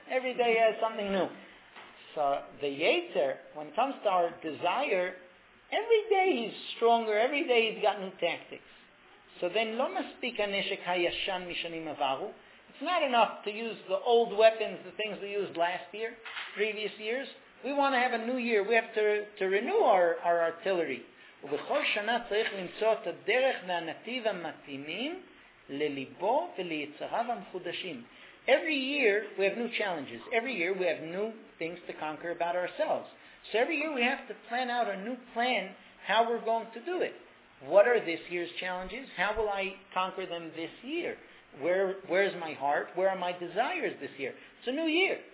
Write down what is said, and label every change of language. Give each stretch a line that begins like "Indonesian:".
English: Every day he has something new. So the Yetzer, when it comes to our desire, every day he's stronger, every day he's got new tactics. So then,
Hebrew: lo maspik haneshek hayashan mishanim avaru.
English: It's not enough to use the old weapons, the things we used last year, previous years. We want to have a new year. We have to renew our artillery.
Hebrew: ובכל שנה צריך למצוא את הדרך והנתיב המתאימים לליבו וליצריו המחודשים.
English: Every year we have new challenges. Every year we have new things to conquer about ourselves. So every year we have to plan out a new plan how we're going to do it. What are this year's challenges? How will I conquer them this year? Where's my heart? Where are my desires this year? It's a new year.